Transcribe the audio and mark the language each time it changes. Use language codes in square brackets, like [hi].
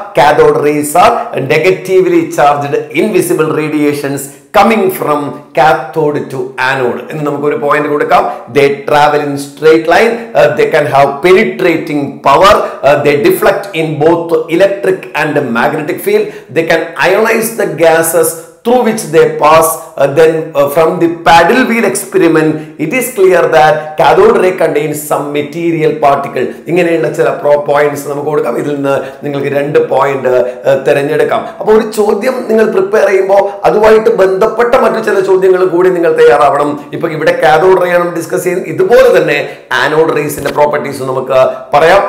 [en] cathode rays are negatively charged invisible radiations coming from cathode to anode [ml] എന്ന് നമുക്ക് ഒരു point കൊടുക്കാം. [en] They travel in straight line, they can have penetrating power, they deflect in both electric and magnetic field, they can ionise the gases through which they pass. Then from the paddle wheel experiment it is clear that cathode ray contains some material particle. [ml] ഇങ്ങനെയുള്ള ചില pro points നമുക്ക് കൊടുക്കാം. ഇതിൽ നിന്ന് നിങ്ങൾക്ക് രണ്ട് point തിരഞ്ഞെടുക്കാം. അപ്പോൾ ഒരു ചോദ്യം നിങ്ങൾ പ്രിപ്പയർ ചെയ്യുമ്പോൾ അതുമായിട്ട് ബന്ധപ്പെട്ട മറ്റു ചില ചോദ്യങ്ങൾ കൂടി നിങ്ങൾ തയ്യാറാവണം. ഇപ്പൊ ഇവിടെ കാഥോഡ് റേയാണ് ഡിസ്കസ് ചെയ്യുന്നത്, ഇതുപോലെ തന്നെ ആനോഡ് റേസിന്റെ പ്രോപ്പർട്ടീസ് നമുക്ക് പറയാം.